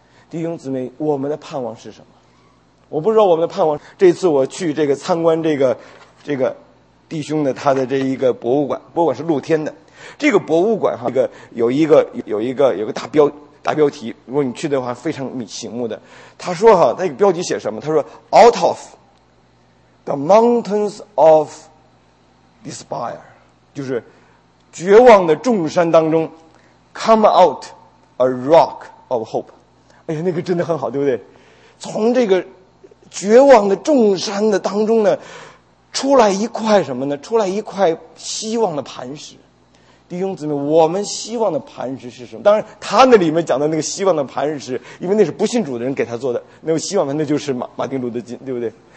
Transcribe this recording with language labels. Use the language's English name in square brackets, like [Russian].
[Chinese] 弟兄姊妹，我们的盼望是什么？我不知道我们的盼望。这次我去这个参观这个弟兄的他的这一个博物馆，博物馆是露天的。这个博物馆哈，这个有一个大标题，如果你去的话非常醒目的。他说哈，那个标题写什么？他说 [English] Out of the mountains of despair， [Chinese] 就是绝望的众山当中 ， [English] come out a rock of hope。 [Chinese] 哎呀，那个真的很好，对不对？从这个绝望的众山的当中呢，出来一块什么呢？出来一块希望的磐石。弟兄姊妹，我们希望的磐石是什么？当然，他那里面讲的那个希望的磐石，因为那是不信主的人给他做的，那个希望的那就是马丁路德金，对不对？